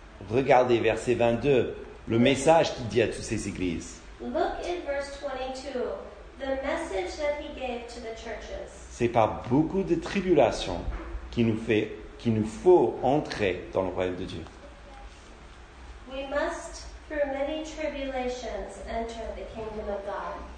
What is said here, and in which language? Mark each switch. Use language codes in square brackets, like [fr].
[fr] regardez verset 22, le message qu'il dit à toutes ces églises. [en] Look at verse 22, the message that he gave to the churches. [fr] C'est par beaucoup de tribulations qu'il nous faut entrer dans le royaume de Dieu. [en] We must through many tribulations enter the kingdom of God.